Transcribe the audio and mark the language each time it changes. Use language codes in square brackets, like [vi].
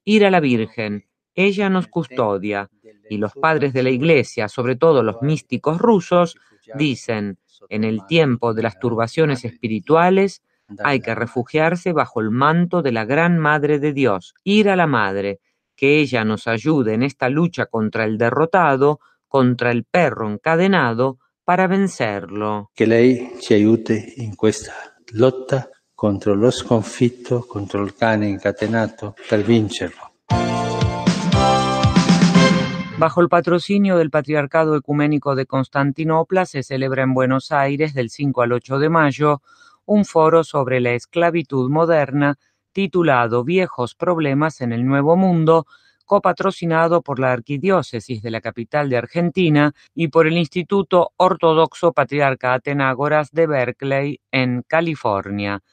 [es] Ir a la Virgen. Ella nos custodia. Y los padres de la Iglesia, sobre todo los místicos rusos, dicen: en el tiempo de las turbaciones espirituales hay que refugiarse bajo el manto de la Gran Madre de Dios. Ir a la Madre, que ella nos ayude en esta lucha contra el derrotado, contra el perro encadenado, para vencerlo. [it] Que lei ci aiute in questa lotta contro lo sconfitto, contro il cane incatenato, per vincerlo. [es] Bajo el patrocinio del Patriarcado Ecuménico de Constantinopla se celebra en Buenos Aires del 5 al 8 de mayo un foro sobre la esclavitud moderna titulado Viejos Problemas en el Nuevo Mundo, copatrocinado por la Arquidiócesis de la capital de Argentina y por el Instituto Ortodoxo Patriarca Atenágoras de Berkeley en California.